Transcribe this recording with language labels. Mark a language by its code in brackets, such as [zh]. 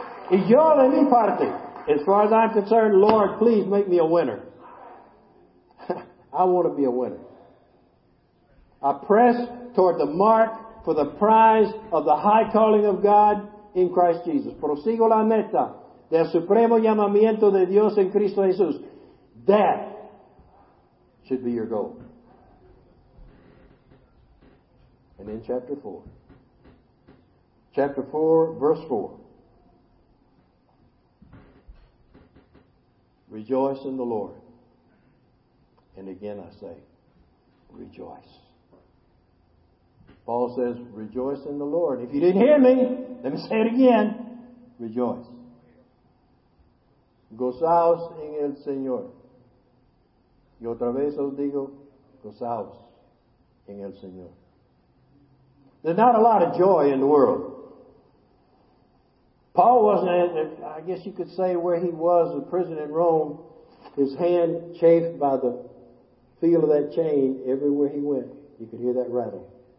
[es] Y yo de mi parte, [en] as far as I'm concerned, Lord, please make me a winner. I want to be a winner. I press toward the mark for the prize of the high calling of God in Christ Jesus. [es] Prosigo la meta. Del supremo llamamiento de Dios en Cristo Jesús. [en] That should be your goal. And in chapter 4. Chapter 4, verse 4. Rejoice in the Lord. And again I say, rejoice. Paul says, rejoice in the Lord. If you didn't hear me, let me say it again. Rejoice. [es] Gozaos en el Señor. Y otra vez os digo, gozaos en el Señor. [en] There's not a lot of joy in the world. Paul wasn't, I guess you could say, where he was in prison in Rome, his hand chafed by the feel of that chain everywhere he went. You could hear that rattle.